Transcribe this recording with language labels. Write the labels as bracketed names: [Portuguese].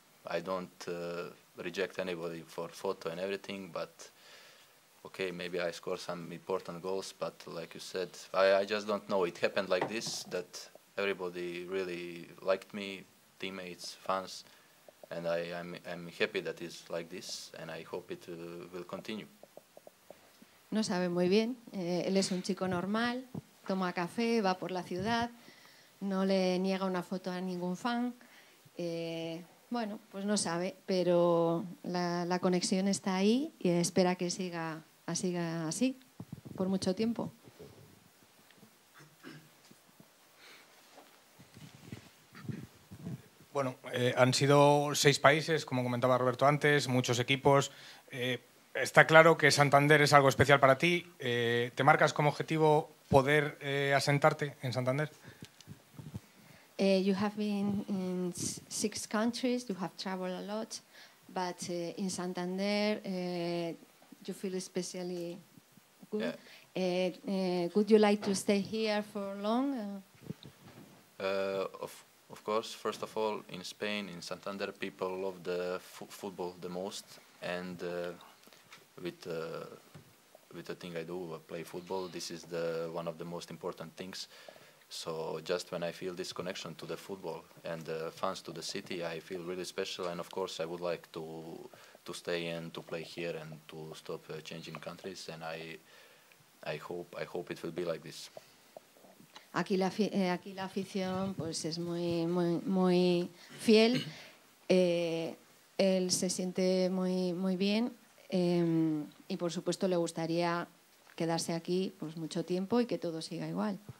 [English] I don't reject anybody for photo and everything, but okay, maybe I score some important goals, but like you said, I just don't know. It happened like this, that everybody really liked me, teammates, fans, and I'm happy that it's like this, and I hope it will continue. [Spanish] No sabe muy bien. Él es un chico normal, toma café, va por la ciudad, no le niega una foto a ningún fan. Bueno, pues no sabe, pero la conexión está ahí y espera que siga así por mucho tiempo. Bueno, han sido 6 países, como comentaba Roberto antes, muchos equipos. Está claro que Santander es algo especial para ti. ¿Te marcas como objetivo poder asentarte en Santander? [English] You have been in 6 countries, you have traveled a lot, but in Santander, you feel especially good. Yeah. Would you like to stay here for long? Of course, first of all, in Spain, in Santander, people love the football the most, and with the thing I do, I play football, this is the one of the most important things. So just when I feel this connection to the football and the fans to the city, I feel really special. And of course, I would like to stay and to play here and to stop changing countries. And I hope it will be like this. [Spanish] Aquí la afición pues es muy muy muy fiel. Él se siente muy muy bien y por supuesto le gustaría quedarse aquí pues mucho tiempo y que todo siga igual.